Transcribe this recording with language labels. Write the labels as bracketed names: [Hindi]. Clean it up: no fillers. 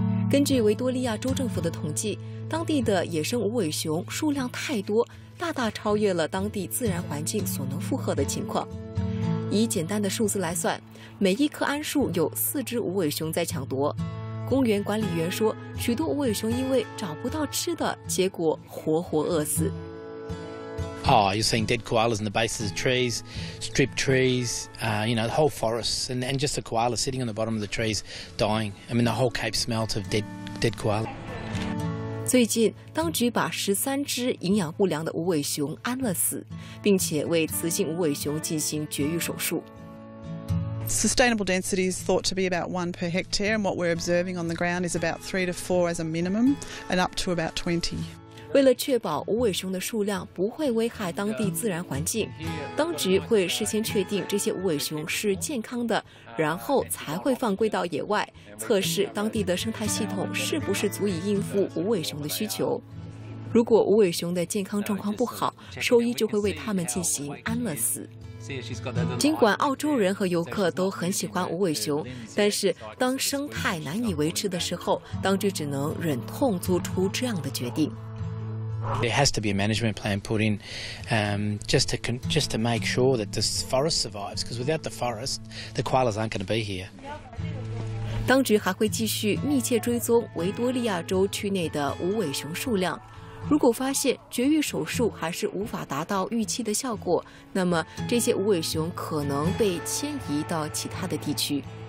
[Chinese] 根据维多利亚州政府的统计，当地的野生无尾熊数量太多，大大超越了当地自然环境所能负荷的情况。以简单的数字来算，每一棵桉树有4只无尾熊在抢夺。公园管理员说，许多无尾熊因为找不到吃的，结果活活饿死。 [English] You're seeing dead koalas in the bases of trees, stripped trees, the whole forests, and just a koala sitting on the bottom of the trees, dying. I mean, the whole Cape smells of dead koala. [Chinese] 最近，当局把13只营养不良的无尾熊安乐死，并且为雌性无尾熊进行绝育手术。 [English] Sustainable density is thought to be about 1 per hectare, and what we're observing on the ground is about 3 to 4 as a minimum, and up to about 20. [Chinese] 为了确保无尾熊的数量不会危害当地自然环境，当局会事先确定这些无尾熊是健康的，然后才会放归到野外，测试当地的生态系统是不是足以应付无尾熊的需求。如果无尾熊的健康状况不好，兽医就会为它们进行安乐死。尽管澳洲人和游客都很喜欢无尾熊，但是当生态难以维持的时候，当局只能忍痛做出这样的决定。 [English] There has to be a management plan put in, just to make sure that this forest survives. Because without the forest, the koalas aren't going to be here. [Chinese] 当局还会继续密切追踪维多利亚州区内的无尾熊数量。如果发现绝育手术还是无法达到预期的效果，那么这些无尾熊可能被迁移到其他的地区。